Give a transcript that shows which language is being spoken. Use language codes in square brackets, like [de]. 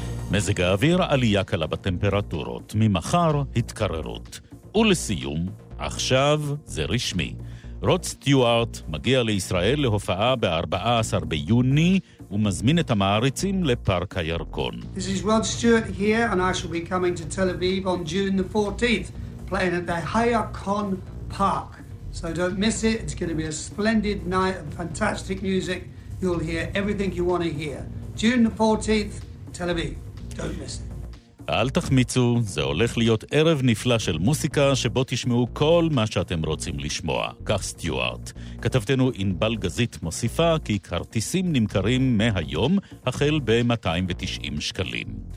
[he] מזג האוויר, עלייה קלה בטמפרטורות, ממחר התקררות. ולסיום, עכשיו זה רשמי. רוד סטיוארט מגיע לישראל להופעה ב-14 ביוני ומזמין את המעריצים לפארק הירקון. [en] This is Rod Stewart here and I shall be coming to Tel Aviv on June the 14th playing at the Hayakon Park. So don't miss it. It's going to be a splendid night of fantastic music. You'll hear everything you want to hear. June the 14th, Tel Aviv. Don't miss it. [he] אל תחמיצו, זה הולך להיות ערב נפלא של מוסיקה שבו תשמעו כל מה שאתם רוצים לשמוע, כך סטיוארט. כתבתנו אינבל גזית מוסיפה כי כרטיסים נמכרים מהיום החל ב-290 שקלים.